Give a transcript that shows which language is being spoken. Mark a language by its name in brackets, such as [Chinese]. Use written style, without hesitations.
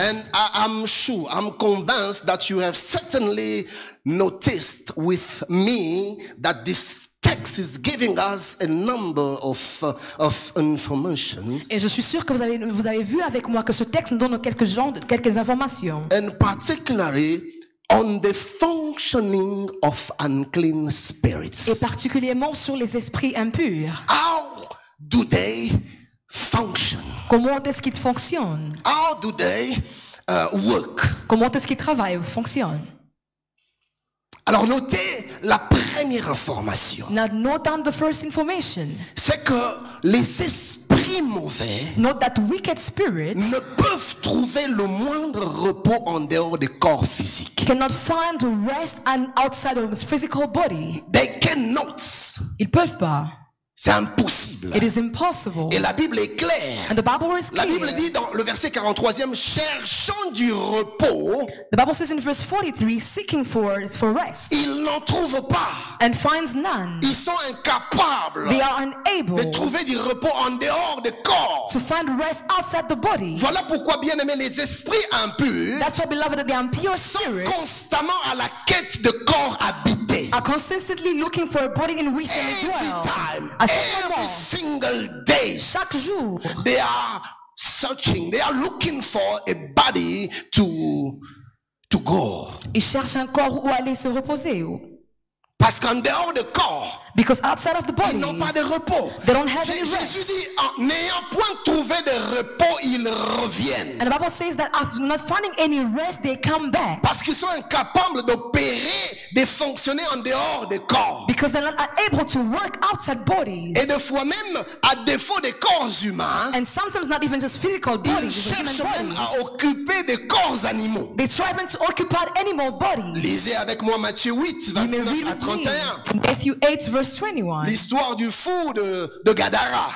[English] And I'm sure, I'm convinced that you have certainly noticed with me that this text is giving us a number of information. [French] Et je suis sûr que vous avez vu avec moi que ce texte nous donne quelques informations. [English] And particularly on the functioning of unclean spirits. [French] Et particulièrement sur les esprits impurs. [English] How do they function? [French] Comment est-ce qu'ils fonctionnent? [English] How do they work? [French] Comment est-ce qu'ils travaillent ou fonctionnent? Alors notez la première information. [English] Now note down the first information. [French] C'est que les esprits mauvais, [English] note that wicked spirits, [French] ne peuvent trouver le moindre repos en dehors du corps physique. [English] Cannot find rest outside of his physical body. They cannot. [French] Ils peuvent pas. C'est impossible. [English] It is impossible. [French] Et la Bible est claire. [English] And the Bible is clear. [French] La Bible dit dans le verset 43e, cherchant du repos. [English] The Bible says in verse 43, seeking for rest. [French] Ils n'en trouvent pas. [English] And finds none. [French] Ils sont incapables. [English] They are unable. [French] De trouver du repos en dehors du corps. [English] To find rest outside the body. [French] Voilà pourquoi bien-aimés les esprits impurs. [English] That's why beloved the impure spirits. [French] Sont constamment à la quête de corps habité. [English] Are constantly looking for a body in which they dwell. Every time. Every single day, [French] chaque jour, [English] they are searching, they are looking for a body to go. [French] Ils cherchent un corps où aller se reposer. Parce qu'en dehors du corps, [English] because outside of the body, [French] ils n'ont pas de repos. [English] They don't have any rest. [French] Jésus dit, n'ayant point trouvé de repos, ils reviennent. [English] And the Bible says that after not finding any rest, they come back. [French] Parce qu'ils sont incapables d'opérer, de fonctionner en dehors du corps. [English] Because they're not able to work outside bodies. [French] Et des fois même, à défaut des corps humains, [English] and sometimes not even just physical bodies, [French] ils cherchent même à occuper des corps animaux. [English] They try even to occupy animal bodies. [French] Lisez avec moi Matthieu 8, 29 à 31. [English] Matthew 8, verse 21. [French] L'histoire du fou de Gadara.